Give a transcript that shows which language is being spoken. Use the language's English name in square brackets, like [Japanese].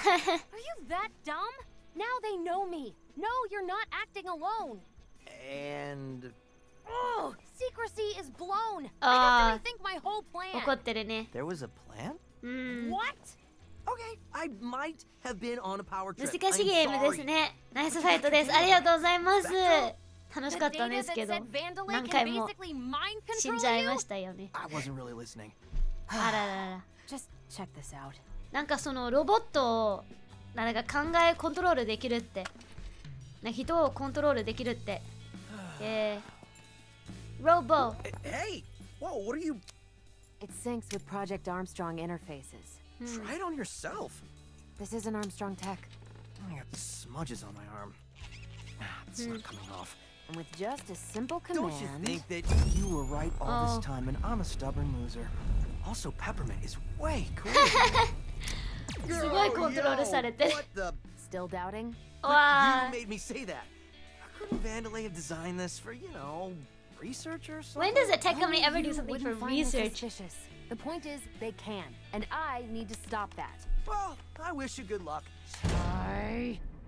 [English] Are you that dumb? Now they know me. No, you're not acting alone. And... Secrecy is blown. I have to rethink my whole plan. [Japanese] 怒ってるね。 [English] There was a plan? What? Okay, I might have been on a power trip. [Japanese] 難しいゲームですね。ナイスファイトです。ありがとうございます。楽しかったんですけど、何回も死んじゃいましたよね。 [English] I wasn't really listening. [Japanese] あららら。 [English] Just check this out. [Japanese] なんかそのロボットをなんか考えコントロールできるって、な人をコントロールできるって、ロボ。 [English] Hey! Whoa, what are you? It syncs with Project Armstrong interfaces. Try it on yourself. This isn't Armstrong tech. I got smudges on my arm. It's not coming off. And with just a simple command... Don't you think that you were right all this time and I'm a stubborn loser? Also, Peppermint is way cool. [Japanese] すごいコントロールされて。 [English] Still doubting? You made me say that. Couldn't Vandalay have designed this for, you know, research or something? When does a tech company ever do something for research? The point is, they can. And I need to stop that. Well, I wish you good luck. Sorry.